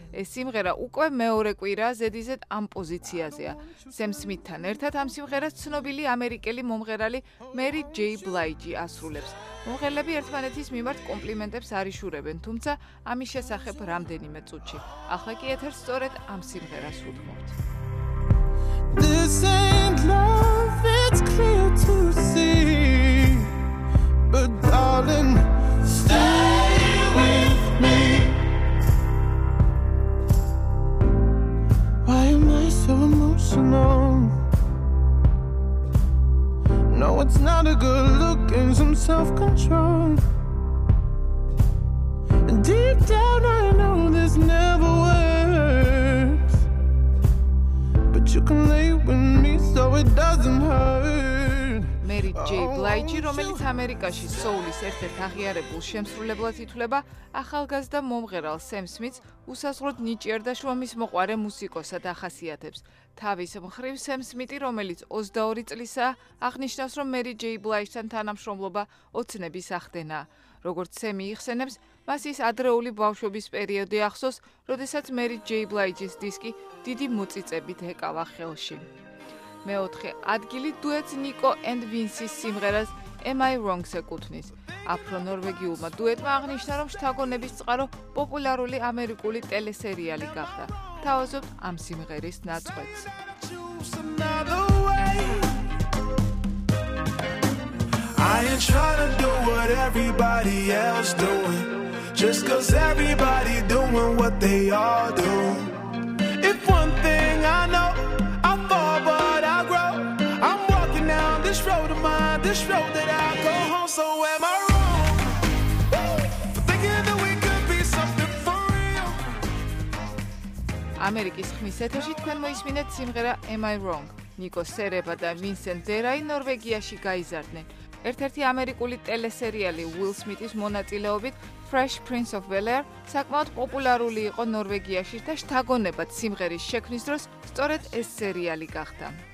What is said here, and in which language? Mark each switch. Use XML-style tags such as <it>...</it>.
<ka>ეს სიმღერა უკვე მეორე კვირაა ზედიზედ ამ პოზიციაზეა. სემ სმიტთან ერთად ამ სიმღერას ცნობილი ამერიკელი მომღერალი Mary J. Blige ასრულებს. მომღერლები ერთმანეთის მიმართ კომპლიმენტებს არიშურებენ, თუმცა ამის შესახებ რამდენიმე წუთში. ახლა კი ეთერს სწორედ ამ სიმღერას უთმობთ.</ka> <en>This ain't love, it's clear to see. But darling, stay with me. Why am I so emotional? No, it's not a good look and some self-control. Deep down I know this never works. But you can lay with me so it doesn't hurt.</en> <ka>Mary J. Blige, რომელიც ამერიკაში სოულის ერთ-ერთ აღიარებულ შემსრულებლად ითვლება, ახალგაზრდა მომღერალ სემ სმიტს უსასრულოდ ნიჭიერდა შრომის მოყვარე მუსიკოსად ახასიათებს. თავის მხრივ სემ სმიტი, რომელიც 22 წლისაა, აღნიშნავს, რომ Mary J. Blige-თან თანამშრომლობა ოცნების ახდენაა. როგორც სემი იხსენებს, მას ის ადრეული ბავშვობის პერიოდი ახსოვს, როდესაც Mary J. Blige-ის დისკი დიდი მოწიწებით ეკავა ხელში. მეოთხე ადგილი დუეტს Nico and Vince-ის სიმღერას Am I Wrong-ს ეკუთვნის. აფრო ნორვეგიულმა დუეტმა აღნიშნა, რომ შთაგონების წყარო პოპულარული ამერიკული ტელესერიალი გახდა. თავაზობთ ამ სიმღერის ნაწყვეტს.</ka> <en>I ain't tryna do what everybody else doing, just 'cause everybody doing what they all do. If one thing I know, I fall but I grow. I'm walking down this road of mine, this road that I go home. So am I wrong for thinking that we could be something for real?</en> <ka>ამერიკის ხმის ეთერში თქვენ მოისმინეთ სიმღერა Am I Wrong. Nico Sereba და Vincent Deray ნორვეგიაში გაიზარდნენ. ერთ-ერთი ამერიკული ტელესერიალი Will Smith-ის მონაწილეობით Fresh Prince of Bel-Air საკმაოდ პოპულარული იყო ნორვეგიაში და შთაგონებად სიმღერის შექმნის დროს სწორედ ეს სერიალი გახდა.</ka>